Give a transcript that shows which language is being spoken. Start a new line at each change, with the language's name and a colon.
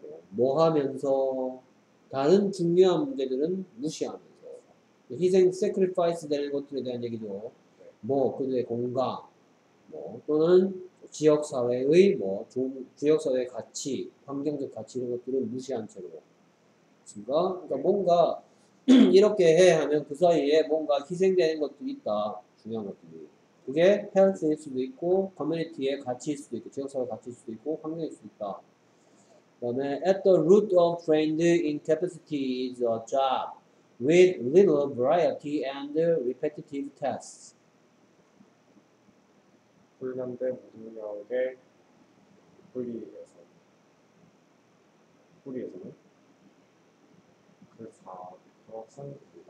Korean: 뭐 하면서 다른 중요한 문제들은 무시하면서 희생, 세크리파이스 되는 것들에 대한 얘기도 뭐 그들의 공간 뭐 또는 지역사회의 뭐 지역사회의 가치, 환경적 가치 이런 것들은 무시한 채로 그러니까 뭔가 이렇게 해 하면 그 사이에 뭔가 희생되는 것도 있다. 중요한 것들이 그게 헬스일 수도 있고, 커뮤니티의 가치일 수도 있고, 지역사회 가치일 수도 있고, 환경일 수도 있다. 그 다음에,
English: at the root of trained incapacity is a job with little variety and repetitive tasks.
Korean: 훈련된 능력의 뿌리에서는 그 사업으로 선입니다.